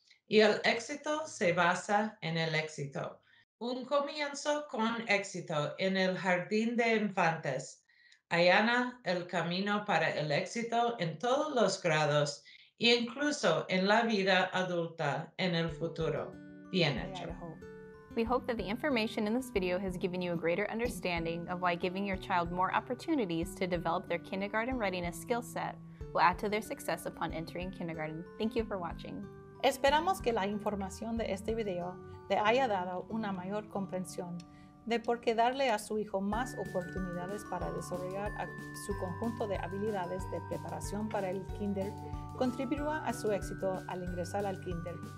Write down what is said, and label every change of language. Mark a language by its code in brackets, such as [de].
[es] y el éxito se basa en el éxito. Un comienzo con éxito en el jardín de infantes. Allana el camino para el éxito en todos los grados, e incluso en la vida adulta en el futuro. Bien hecho. [en] We hope that the information in this video has given you a greater understanding of why giving your child more opportunities to develop their kindergarten readiness skill set will add to their success upon entering kindergarten. Thank you for watching. [es] Esperamos que la información de este video le haya dado una mayor comprensión de por qué darle a su hijo más oportunidades para desarrollar su conjunto de habilidades de preparación para el kinder contribuirá a su éxito al ingresar al kinder.